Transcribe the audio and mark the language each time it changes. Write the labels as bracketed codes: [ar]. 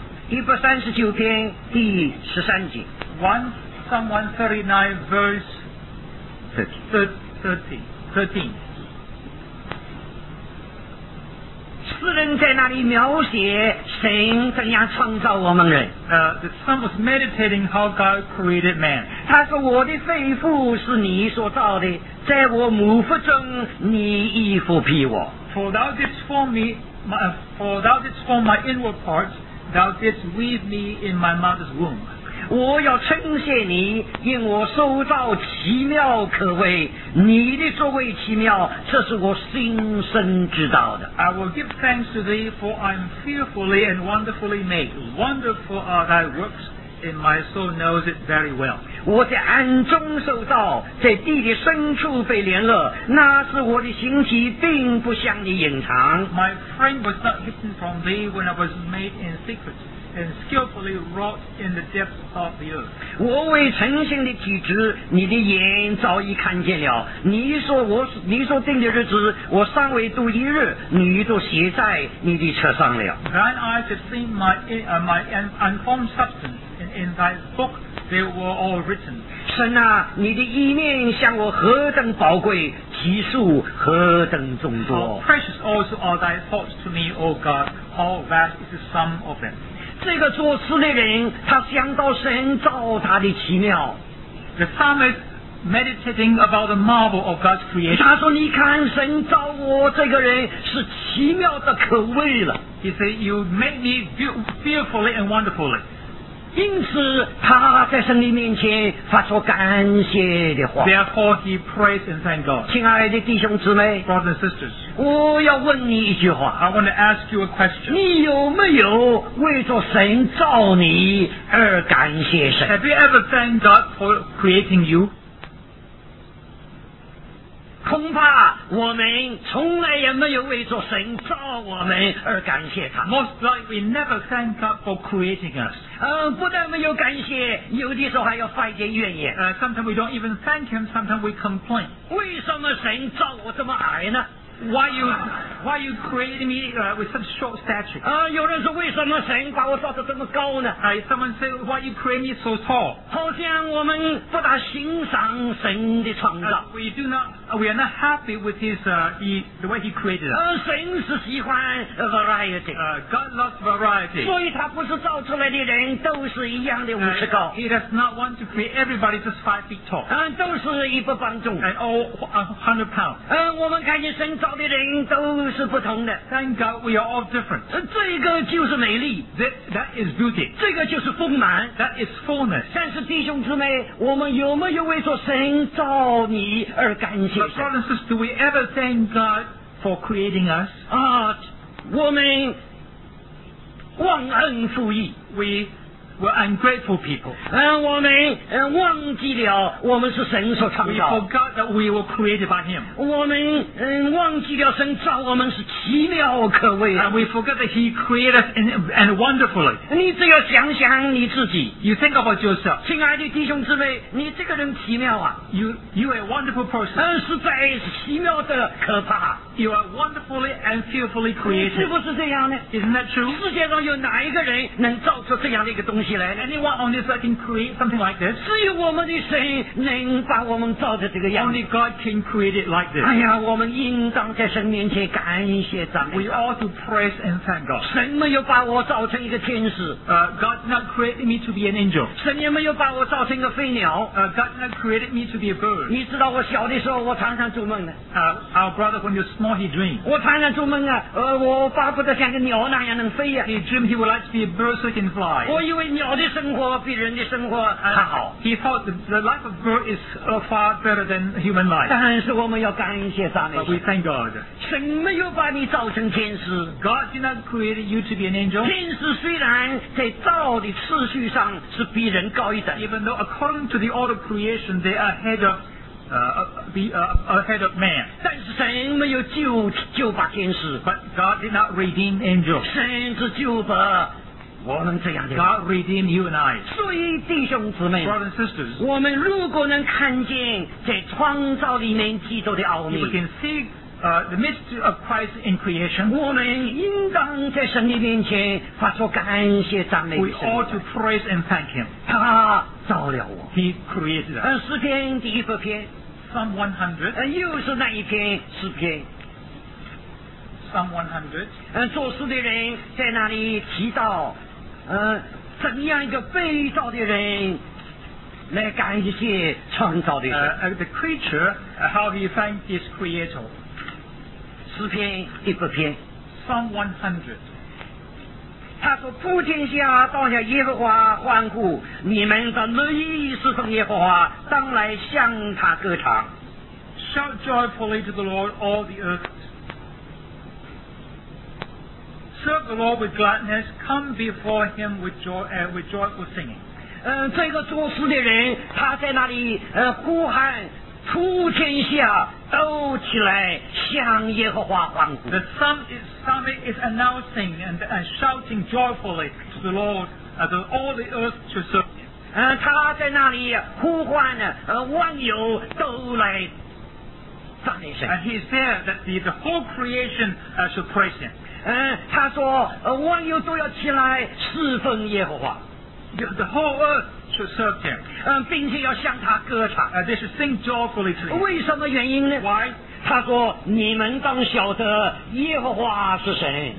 [zh] 一百三十九篇第十三节。 [en] Psalm 139 verse 13. [zh] 诗人在那里描写神怎样创造我们人。 [en] The psalmist was meditating how God created man. [zh] 他说我的肺腑是你所造的，在我母腹中你亦复辟我。 [en] For thou didst form my inward parts, thou didst weave me in my mother's womb. [zh] 我要称谢你，因我受造奇妙可畏，你的作为奇妙，这是我心生知道的。 [en] I will give thanks to thee, for I am fearfully and wonderfully made. Wonderful are thy works, and my soul knows it very well. [zh] 我在暗中受造，在地的深处被联络，那是我的形体并不向你隐藏。 [en] My frame was not hidden from thee when I was made in secret. And skillfully wrought in the depths of the earth. [zh] 我为诚信的体质，你的眼早已看见了。你所定的日子，我尚未度一日，你都写在你的册上了。 [en] Thine eyes have seen my unformed substance, and in thy book they were all written. [zh] 神啊，你的意念向我何等宝贵，其数何等众多。 [en] How precious also are thy thoughts to me, O God! How vast is the sum of them! [zh] 这个作诗的人，他想到神造他的奇妙。 [en] The psalmist meditating about the marvel of God's creation. [zh] 他说：“你看，神造我这个人是奇妙的可畏了。” [en] He said, "You made me fearfully and wonderfully." [zh] 因此，他在神的面前发出感谢的话。 [en] Therefore, he prays and thank God. [zh] 亲爱的弟兄姊妹 [en] ，brothers and sisters. [zh] 我要问你一句话。 [en] I want to ask you a question. [zh] 你有没有为着神造你而感谢神 [en] ？Have you ever thanked God for creating you? [zh] 恐怕我们从来也没有为着神造我们而感谢他。 [en] Most likely we never thank God for creating us. [zh] 不但没有感谢，有的时候还要发一点怨言。 [en] Sometimes we don't even thank Him. Sometimes we complain. [zh] 为什么神造我这么矮呢？ [en] Why you created me with such short stature? [zh] 有人说为什么神把我造得这么高呢？ [en] Someone say why you create me so tall? [zh] 好像我们不大欣赏神的创造。 [en] We are not happy with the way he created us. [zh] 神是喜欢 variety. [en] God loves variety. [zh] 所以他不是造出来的人都是一样的五尺高。 [en] He does not want to create everybody just 5 feet tall. [zh] 都是一百磅重。 [en] And all 100 pounds. [zh] 我们看见神。造的人都是不同的。 [en] Thank God we are all different. [zh] 这个就是美丽。 [en] That is beauty. [zh] 这个就是丰满。 [en] That is fullness. [zh] 但是弟兄姊妹，我们有没有为着神造你而感谢神 [en] ？But brothers and sisters, do we ever thank God for creating us? [zh] 我们忘恩负义。 [en] We're ungrateful people. [zh] 我们忘记了我们是神所创造。 [en] We forgot that we were created by Him. [zh] 我们忘记了神造我们是奇妙可畏。 [en] And we forgot that He created us and wonderfully. [zh] 你只要想想你自己。 [en] You think about yourself. [zh] 亲爱的弟兄姊妹，你这个人奇妙啊。 [en] You are a wonderful person. [zh] 实在是奇妙的可怕。 [en] You are wonderfully and fearfully created. [zh] 是不是这样呢？ [en] Isn't that true? [zh] 世界上有哪一个人能造出这样的一个东西来呢？ [en] Anyone on this earth can create something like this? [zh] 只有我们的神能把我们造的这个样子。 [en] Only God can create it like this. [zh] 哎呀，我们应当在神面前感谢赞美。 [en] We ought to praise and thank God. [zh] 神没有把我造成一个天使。 [en] God not created me to be an angel. [zh] 神也没有把我造成一个飞鸟。 [en] God not created me to be a bird. [zh] 你知道我小的时候我常常做梦的。 [en] Our brother, when you're small, he dreamed. [zh] 我常常做梦啊，我巴不得像个鸟那样能飞啊。 [en] He dreamed he would like to be a bird so he can fly. [zh] 我以为鸟的生活比人的生活还好。 [en] He thought the life of bird is far better than human life. [zh] 但是我们要感谢赞美。 [en] But we thank God. [zh] 神没有把你造成天使。 [en] God did not create you to be an angel. [zh] 天使虽然在造的次序上是比人高一等。 [en] Even though according to the order of creation, they are ahead of. Ahead of man. [zh] 但是神没有救把天使。 [en] But God did not redeem angels. [zh] 神只救把我们这样的。 [en] God redeemed you and I. [zh] 所以弟兄姊妹。 [en] Brothers and sisters. [zh] 我们如果能看见在创造里面基督的奥秘。 [en] We can see the mystery of Christ in creation. [zh] 我们应当在神的面前发出感谢赞美。 [en] We ought to praise and thank him. [zh] 他造了我。 [en] He created us. [zh] 诗篇第一篇。 [en] Psalm 100. [zh] 又是那一篇诗篇。 [en] Psalm 100. [zh] 作诗的人在那里提到，怎样一个被造的人来感谢创造的人。 [en] The creature, how he thanked his creator. [zh] 诗篇第一篇。 [en] Psalm 100. [zh] 他说普天下当向耶和华欢呼，你们的乐意侍奉耶和华，当来向他歌唱。 [en] Shout joyfully to the Lord all the earth. Serve the Lord with gladness. Come before him with joyful singing. [zh] 这个作诗的人他在那里呼喊普天下都起来向耶和华欢呼。 [en] The psalmist is announcing and shouting joyfully to the Lord that all the earth should serve him. [zh] 他在那里呼唤万有都来赞美神。 [en] And he is there that the whole creation should praise him. [zh] 他说万有都要起来侍奉耶和华。 [en] The whole earthTo serve him. [zh] 并且要向他歌唱。 [en] They should sing joyfully to him. [zh] 为什么原因呢？ [en] Why? [zh] 他说你们当晓得耶和华是谁。